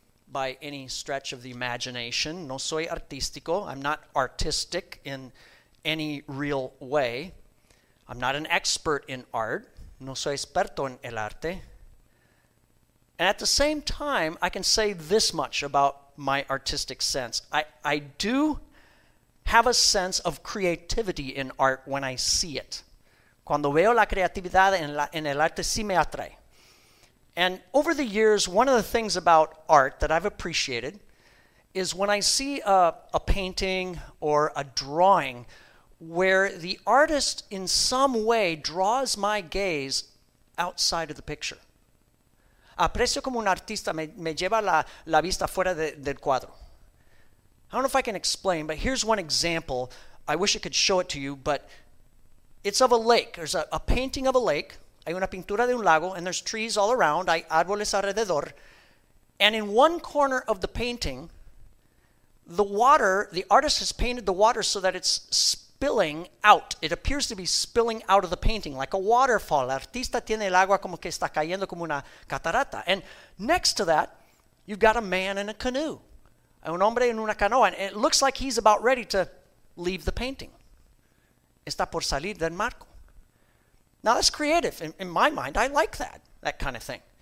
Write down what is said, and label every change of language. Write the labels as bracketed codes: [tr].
[en] By any stretch of the imagination, [es] no soy artístico, [en] I'm not artistic in any real way, I'm not an expert in art, [es] no soy experto en el arte, [en] and at the same time, I can say this much about my artistic sense, I do have a sense of creativity in art when I see it. [es] Cuando veo la creatividad en el arte, sí me atrae. [en] And over the years, one of the things about art that I've appreciated is when I see a painting or a drawing where the artist in some way draws my gaze outside of the picture. [es] Aprecio como un artista me lleva la vista fuera del cuadro. [en] I don't know if I can explain, but here's one example. I wish I could show it to you, but it's of a lake. There's a painting of a lake. [es] Hay una pintura de un lago, [en] and there's trees all around, [es] hay árboles alrededor. [en] And in one corner of the painting, the water, the artist has painted the water so that it's spilling out. It appears to be spilling out of the painting, like a waterfall. [es] El artista tiene el agua como que está cayendo como una catarata. [en] And next to that, you've got a man in a canoe. [es] Hay un hombre en una canoa, [en] and it looks like he's about ready to leave the painting. [es] Está por salir del marco. [en] Now, that's creative. In my mind, I like that kind of thing.